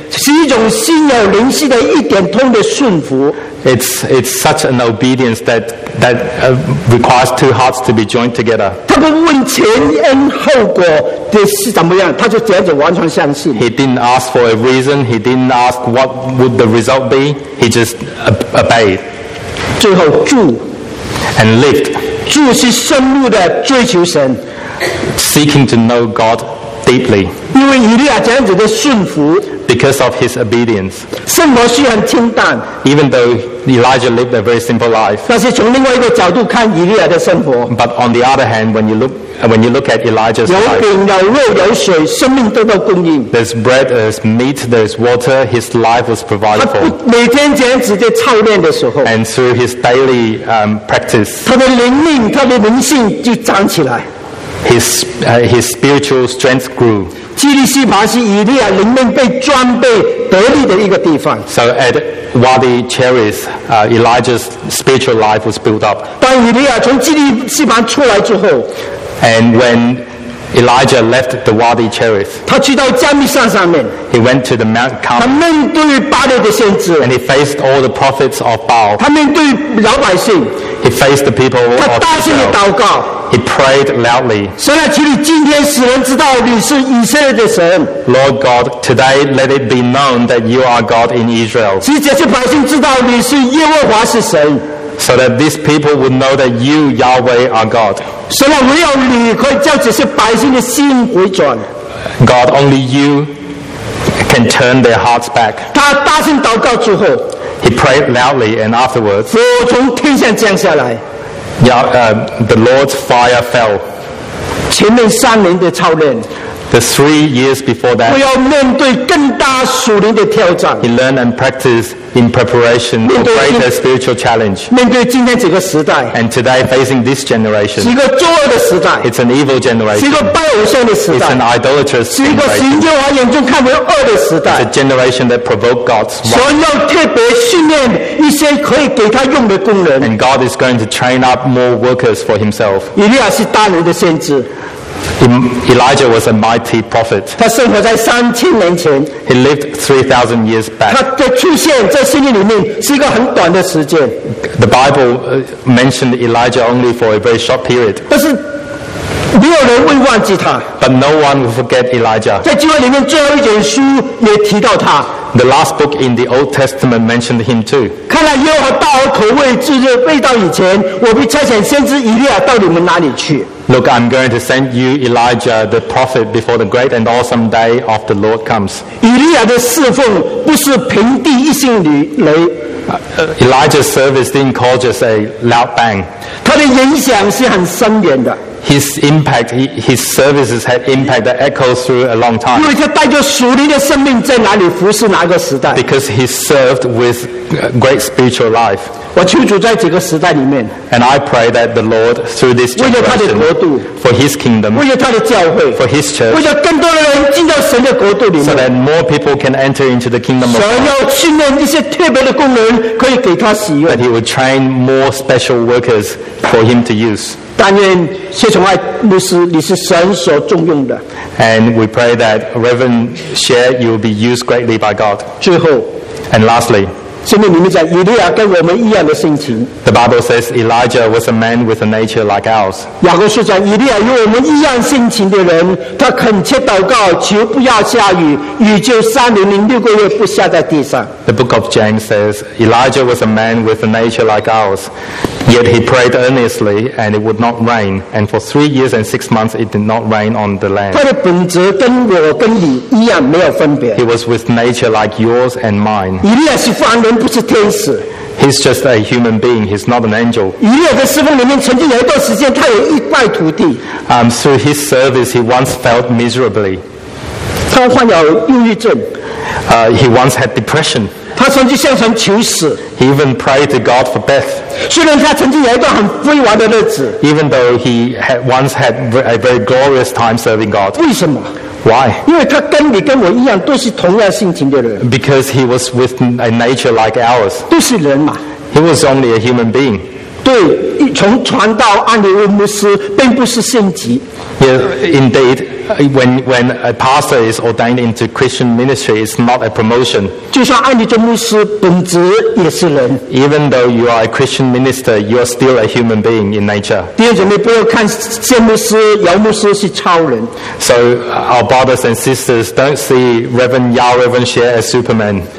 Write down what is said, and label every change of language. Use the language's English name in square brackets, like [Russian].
[Chinese] 是一种心有灵犀的一点通的顺服。 [English] It's such an obedience that requires two hearts to be joined together. 他不问前因后果的是怎么样，他就这样子完全相信。 He didn't ask for a reason. He didn't ask what would the result be. He just obeyed. [Chinese] 最后住。 [English] And lived. [Chinese] 住是深入的追求神。 [English] Seeking to know God deeply. [Chinese] 因为以利亚这样子的顺服。 [English] Because of his obedience. [Chinese] 生活虽然清淡。 [English] Even though Elijah lived a very simple life. [Chinese] 但是从另外一个角度看以利亚的生活。 [English] But on the other hand, when you look at Elijah's life. [Chinese] 有饼有肉有水，生命得到供应。 [English] There's bread, there's meat, there's water. His life was provided for. [Chinese] 每天这样子在操练的时候。 [English] And through his daily practice. [Chinese] 他的灵命，他的灵性就长起来。 [English] His spiritual strength grew. [Chinese] 基利西巴是以利亚灵命被装备得力的一个地方。 [English] So at Wadi Cherith, Elijah's spiritual life was built up. [Chinese] 当以利亚从基利西巴出来之后 [English] ，And when Elijah left the Wadi Cherith, [Chinese] 他去到加密山上面。 [English] He went to the Mount Carmel. [Chinese] 他面对巴勒的先知。 [English] And he faced all the prophets of Baal. [Chinese] 他面对老百姓。 [English] He faced the people of Israel. [Chinese] 他大声的祷告。 [English] He prayed loudly. [Chinese] 神啊，求你今天使人知道你是以色列的神。 [English] Lord God, today let it be known that you are God in Israel. [Chinese] 使这些百姓知道你是耶和华是神。 [English] So that these people would know that you, Yahweh, are God. [Chinese] 神啊，唯有你可以叫这些百姓的心回转。 [English] God, only you can turn their hearts back. [Chinese] 他大声祷告之后。 [English] He prayed loudly, and afterwards. [Chinese] 火从天上降下来。 [English] The Lord's fire fell. [Chinese] 前面三年的操练。 [English] The 3 years before that. [Chinese] 我要面对更大属灵的挑战。 [English] He learned and practiced in preparation for greater spiritual challenge. [Chinese] 面对今天这个时代。 [English] And today facing this generation. [Chinese] 是一个作恶的时代。 [English] It's an evil generation. [Chinese] 是一个拜偶像的时代。 [English] It's an idolatrous generation. [Chinese] 是一个使耶和华眼中看为恶的时代。 [English] It's a generation that provoked God's wrath. [Chinese] 所以要特别训练一些可以给他用的工人。 [English] And God is going to train up more workers for himself. [Chinese] 以利亚是大能的先知。 [English] Elijah was a mighty prophet. [Chinese] 他生活在三千年前。 [English] He lived 3,000 years back. [Chinese] 他的出现在圣经里面是一个很短的时间。 [English] The Bible mentioned Elijah only for a very short period. [Chinese] 但是没有人会忘记他。 [English] But no one will forget Elijah. [Chinese] 在旧约里面最后一卷书也提到他。 [English] The last book in the Old Testament mentioned him too. [Chinese] 看来耶和华大而可畏之日未到以前，我必差遣先知以利亚到你们哪里去。 [English] Look, I'm going to send you Elijah, the prophet, before the great and awesome day of the Lord comes. [Chinese] 以利亚的侍奉不是平地一声雷。 [English] Elijah's service didn't cause just a loud bang. [Chinese] 他的影响是很深远的。 [English] His impact, his services had impact that echoes through a long time. [Chinese] 因为他带着属灵的生命在哪里服侍哪个时代。 [English] Because he served with great spiritual life. [Chinese] 我求主在这个时代里面。 [English] And I pray that the Lord through this generation. [Chinese] 为了他的国度。 [English] For his kingdom. [Chinese] 为了他的教会。 [English] For his church. [Chinese] 为了更多的人进到神的国度里面。 [English] So that more people can enter into the kingdom of God. [Chinese] 神要训练一些特别的工人可以给他使用。 [English] That he would train more special workers for him to use. [Chinese] 但愿谢崇爱牧师，你是神所重用的。 [English] And we pray that Reverend Share, you will be used greatly by God. [Chinese] 最后 [English] ，And lastly， [Chinese] 圣经里面讲，以利亚跟我们一样的性情。 [English] The Bible says Elijah was a man with a nature like ours. [Chinese] 雅各书讲，以利亚与我们一样性情的人，他恳切祷告，求不要下雨，雨就三年零六个月不下在地上。 [English] The Book of James says Elijah was a man with a nature like ours. Yet he prayed earnestly, and it would not rain. And for 3 years and 6 months, it did not rain on the land. [Chinese] 他的本质跟我跟你一样，没有分别。 [English] He was with nature like yours and mine. [Chinese] 以利亚是凡人，不是天使。 [English] He's just a human being. He's not an angel. [Chinese] 以利亚的侍奉里面，曾经有一段时间，他有一败涂地。 [English] Through his service, he once felt miserably. [Chinese] 他患有忧郁症。 [English] He once had depression. [Chinese] 他曾经向神求死。 [English] He even prayed to God for death. [Chinese] 虽然他曾经有一段很辉煌的日子 [English] ，Even though he had once had a very glorious time serving God， [Chinese] 为什么 [English] ？Why？ [Chinese] 因为他跟你跟我一样，都是同样性情的人。 [English] Because he was with a nature like ours， [Chinese] 都是人嘛。 [English] He was only a human being。 [Chinese] 对，从传道、按理牧师，并不是圣级。 [English] Yes, indeed, when a pastor is ordained into Christian ministry, it's not a promotion. Even though you are a Christian minister, you are still a human being in nature. So our brothers and sisters, don't see Reverend Yao, Reverend Xie as Superman.